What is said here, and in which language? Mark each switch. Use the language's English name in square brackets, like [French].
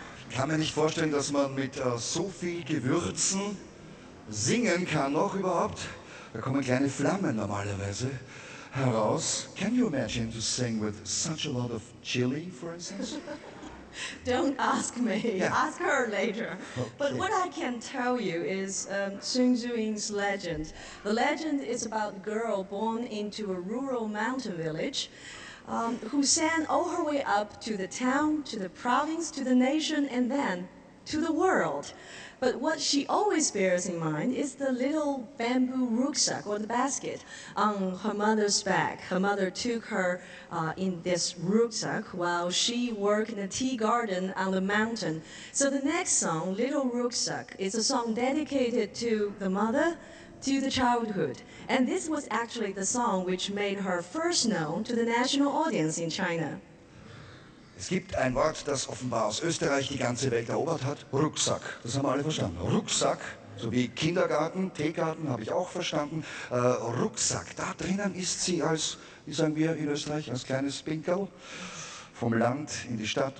[German] kann mir nicht vorstellen, dass man mit so viel Gewürzen singen kann, noch überhaupt. Da kommen kleine Flammen normalerweise heraus. [English] Can you imagine to sing with such a lot of chili, for instance? Don't ask me. Yeah. Ask her later. Okay. But what I can tell you is Sun Xueying's legend. The legend is about a girl born into a rural mountain village who sang all her way up to the town, to the province, to the nation, and then to the world. But what she always bears in mind is the little bamboo rucksack or the basket on her mother's back. Her mother took her in this rucksack while she worked in a tea garden on the mountain. So the next song, Little Rucksack, is a song dedicated to the mother, to the childhood. And this was actually the song which made her first known to the national audience in China. [German] Es gibt ein Wort, das offenbar aus Österreich die ganze Welt erobert hat, Rucksack. Das haben wir alle verstanden. Rucksack, so wie Kindergarten, Teegarten, habe ich auch verstanden. Rucksack, da drinnen ist sie als, wie sagen wir in Österreich, als kleines Pinkerl vom Land in die Stadt.